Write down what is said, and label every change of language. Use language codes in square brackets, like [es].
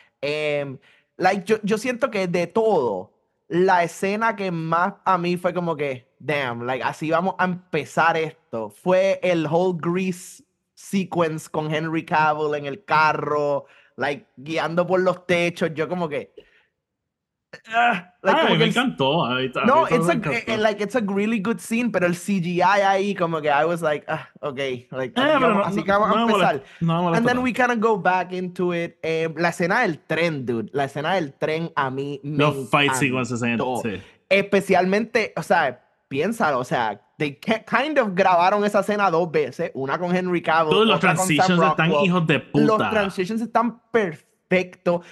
[es] Yo siento que de todo, la escena que más a mí fue como que, damn, like, así vamos a empezar esto, fue el [en] whole Grease sequence [es] con Henry Cavill en el carro, like, guiando por los techos. Yo como que... [en] it's a really good scene, [es] pero el CGI ahí como que [en] I was like, okay, like, and then we kind of go back into it. [es] La escena del tren, dude, la escena del tren a mí me [en] fight sequences and sí. [es] Especialmente, o sea, piénsalo, o sea, [en] they kind of [es] grabaron esa escena dos veces, una con Henry Cavill, todos los transitions están hijos de puta, los transitions están perfectos. Perfecto.